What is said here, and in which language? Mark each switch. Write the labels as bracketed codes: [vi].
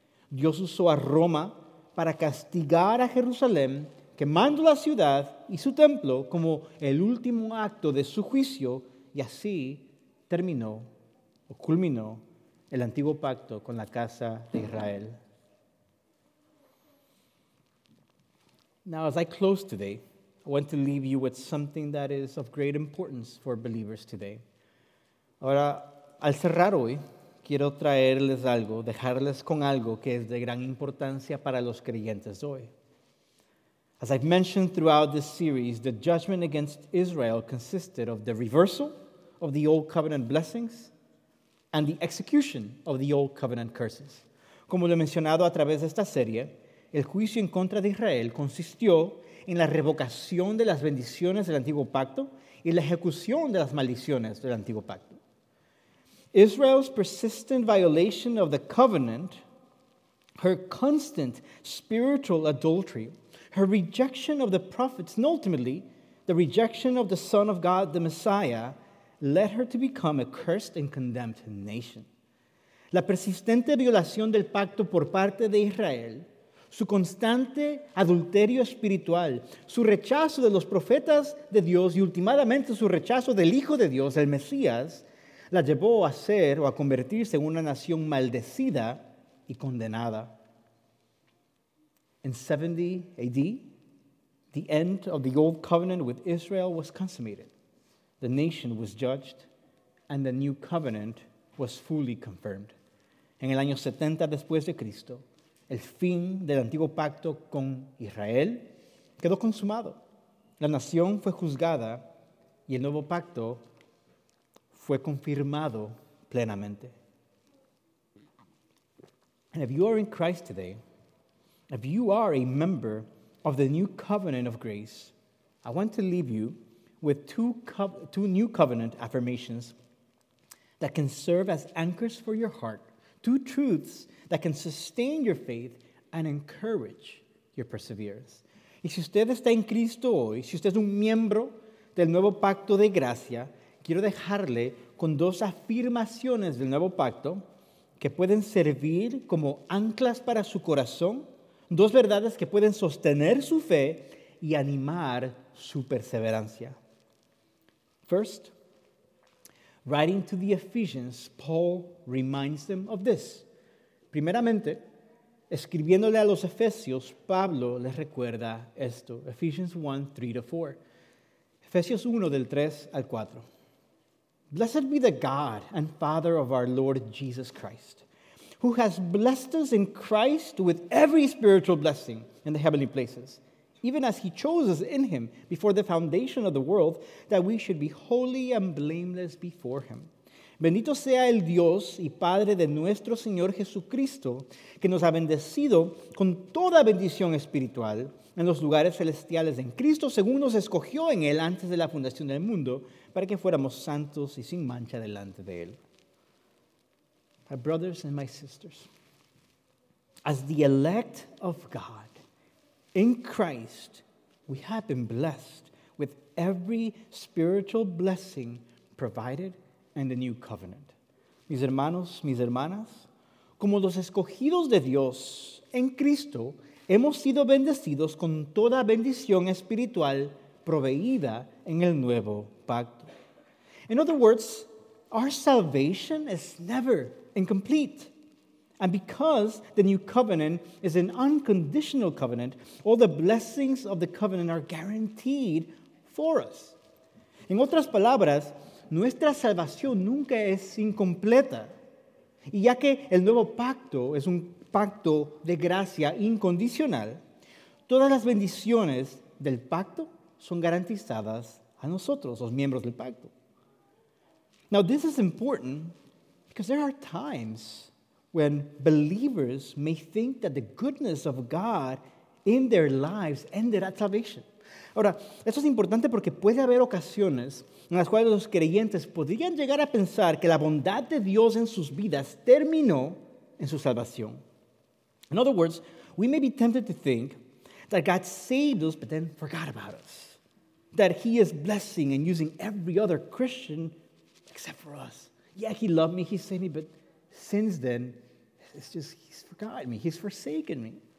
[es] Dios usó a Roma para castigar a Jerusalén, quemando la ciudad y su templo como el último acto de su juicio, y así culminó el antiguo pacto con la casa de Israel. [en] Now, as I close today, I want to leave you with something that is of great importance for believers today. [es] Ahora, al cerrar hoy, quiero traerles algo, dejarles con algo que es de gran importancia para los creyentes hoy. [en] As I've mentioned throughout this series, the judgment against Israel consisted of the reversal of the Old Covenant blessings and the execution of the Old Covenant curses. [es] Como lo he mencionado a través de esta serie, el juicio en contra de Israel consistió en la revocación de las bendiciones del Antiguo Pacto y la ejecución de las maldiciones del Antiguo Pacto. [en] Israel's persistent violation of the covenant, her constant spiritual adultery, her rejection of the prophets, and ultimately the rejection of the Son of God, the Messiah, led her to become a cursed and condemned nation. [es] La persistente violación del pacto por parte de Israel, su constante adulterio espiritual, su rechazo de los profetas de Dios y últimamente su rechazo del Hijo de Dios, el Mesías, la llevó a ser o a convertirse en una nación maldecida y condenada. [en] In 70 AD, the end of the old covenant with Israel was consummated. The nation was judged, and the new covenant was fully confirmed. [es] En el año 70 después de Cristo, el fin del antiguo pacto con Israel quedó consumado. La nación fue juzgada y el nuevo pacto fue confirmado plenamente. [en] And if you are in Christ today, if you are a member of the new covenant of grace, I want to leave you with two new covenant affirmations that can serve as anchors for your heart, two truths that can sustain your faith and encourage your perseverance. [es] Y si usted está en Cristo hoy, si usted es un miembro del nuevo pacto de gracia, quiero dejarle con dos afirmaciones del nuevo pacto que pueden servir como anclas para su corazón, dos verdades que pueden sostener su fe y animar su perseverancia. [en] First, writing to the Ephesians, Paul reminds them of this. [es] Primeramente, escribiéndole a los Efesios, Pablo les recuerda esto. [en] Ephesians 1, 3 to 4. [es] Efesios 1, del 3 al 4. [en] Blessed be the God and Father of our Lord Jesus Christ, who has blessed us in Christ with every spiritual blessing in the heavenly places, even as he chose us in him before the foundation of the world, that we should be holy and blameless before him. [es] Bendito sea el Dios y Padre de nuestro Señor Jesucristo, que nos ha bendecido con toda bendición espiritual en los lugares celestiales en Cristo, según nos escogió en él antes de la fundación del mundo, para que fuéramos santos y sin mancha delante de él. [en] My brothers and my sisters, as the elect of God, in Christ, we have been blessed with every spiritual blessing provided in the new covenant. [es] Mis hermanos, mis hermanas, como los escogidos de Dios en Cristo, hemos sido bendecidos con toda bendición espiritual proveída en el nuevo pacto. [en] In other words, our salvation is never incomplete. And because the new covenant is an unconditional covenant, all the blessings of the covenant are guaranteed for us. [es] En otras palabras, nuestra salvación nunca es incompleta. Y ya que el nuevo pacto es un pacto de gracia incondicional, todas las bendiciones del pacto son garantizadas a nosotros, los miembros del pacto. [en] Now, this is important because there are times when believers may think that the goodness of God in their lives ended at salvation. [es] Ahora, esto es importante porque puede haber ocasiones en las cuales los creyentes podrían llegar a pensar que la bondad de Dios en sus vidas terminó en su salvación. [en] In other words, we may be tempted to think that God saved us but then forgot about us, that he is blessing and using every other Christian except for us. Yeah, he loved me, he saved me, but since then, it's just, he's forgotten me, he's forsaken me.